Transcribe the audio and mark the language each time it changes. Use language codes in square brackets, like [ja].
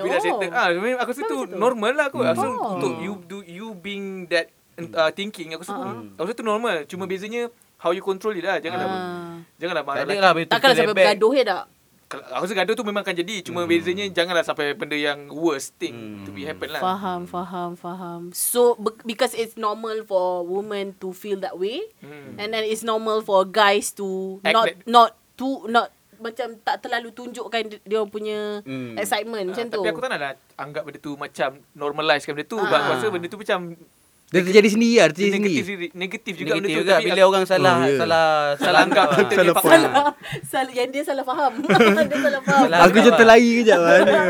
[ms] Aku rasa tu normal lah aku. So untuk [en] you being that thinking, [ms] aku rasa tu normal. Cuma bezanya [en] how you control it [ms] lah. Janganlah marah lah. Takkanlah sampai bergaduh ya tak? Aku rasa gaduh tu memang akan jadi. Cuma bezanya janganlah sampai benda yang [en] worst thing to be happen [ms] lah. Faham. [en] So because it's normal for woman to feel that way, and then it's normal for guys to not [ms] macam tak terlalu tunjukkan dia punya excitement macam tapi tu. Tapi aku tak nak anggap benda tu macam normalisekan benda tu. Aku rasa benda tu macam dia terjadi sendiri lah. Terjadi sendiri. Negatif juga. Negatif juga. Bila orang salah. Salah anggap. Salah. Yang dia salah faham. Aku macam terlahir kejap.